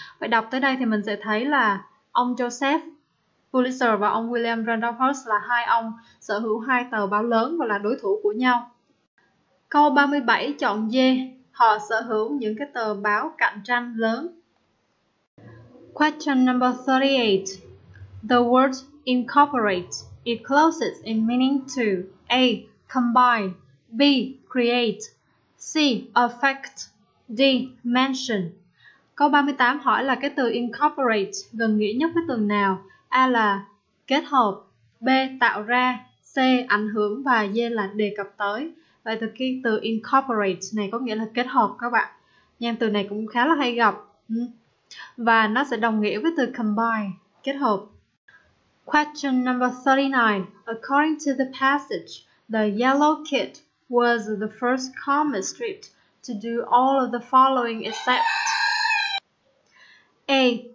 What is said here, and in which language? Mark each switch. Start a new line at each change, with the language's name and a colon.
Vietnamese: Vậy đọc tới đây thì mình sẽ thấy là ông Joseph Pulitzer và ông William Randolph Hearst là hai ông sở hữu hai tờ báo lớn và là đối thủ của nhau. Câu 37 chọn D. Họ sở hữu những cái tờ báo cạnh tranh lớn.
English: Question number 38. The word incorporate it closes in meaning to A. Combine, B. Create, C. Affect, D. Mention.
Vietnamese: Câu 38 hỏi là cái từ incorporate gần nghĩa nhất với từ nào? A là kết hợp, B tạo ra, C ảnh hưởng và D là đề cập tới. Vậy thì cái từ incorporate này có nghĩa là kết hợp các bạn. Nhưng từ này cũng khá là hay gặp. Và nó sẽ đồng nghĩa với từ combine, kết hợp.
English: Question number 39. According to the passage, the yellow kid was the first comic strip to do all of the following except A.